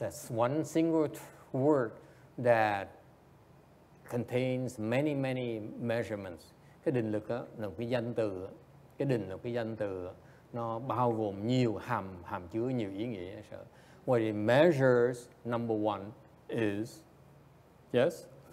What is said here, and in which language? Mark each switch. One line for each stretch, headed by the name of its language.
English: One single word that contains many many measurements.
Vietnamese: Cái định lực đó, là cái danh từ, cái định là cái danh từ nó bao gồm nhiều hàm chứa nhiều ý nghĩa.
English: So, what it measures, number one is, yes?